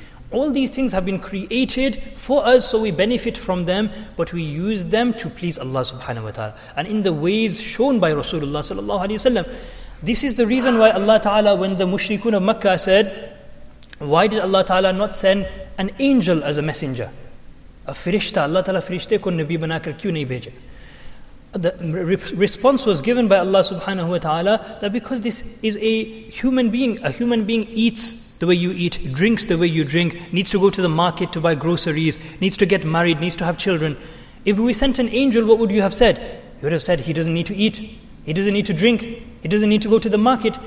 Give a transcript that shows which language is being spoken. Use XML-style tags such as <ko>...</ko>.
<en>All these things have been created for us, so we benefit from them, but we use them to please Allah subhanahu wa ta'ala. And in the ways shown by Rasulullah sallallahu alayhi wa sallam, this is the reason why Allah ta'ala, when the mushrikun of Makkah said, why did Allah Ta'ala not send an angel as a messenger? A firishta.</en> <ur>اللہ تعالیٰ فرشتے کو نبی بناکر کیوں نہیں بھیجا؟</ur> <en>The response was given by Allah subhanahu wa ta'ala that because this is a human being. A human being eats the way you eat, drinks the way you drink, needs to go to the market to buy groceries, needs to get married, needs to have children. If we sent an angel, what would you have said? You would have said, he doesn't need to eat, he doesn't need to drink, he doesn't need to go to the market.</en>